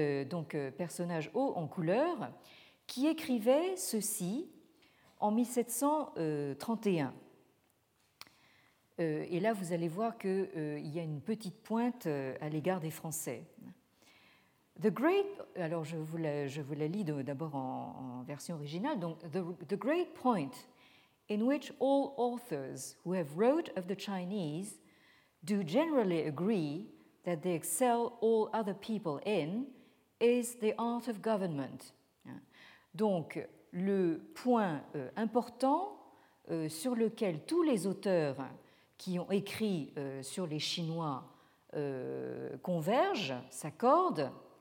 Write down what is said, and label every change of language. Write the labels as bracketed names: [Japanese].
[French] Donc, personnage haut en couleur, qui écrivait ceci en 1731. Et là, vous allez voir qu'il y a une petite pointe à l'égard des Français. [English] The great, [French] alors je vous la lis d'abord en version originale. [English] Donc, the great point in which all authors who have wrote of the Chinese do generally agree that they excel all other people in is the art of government. [French] Donc, le point important sur lequel tous les auteurs qui ont écrit sur les Chinois convergent, s'accordent.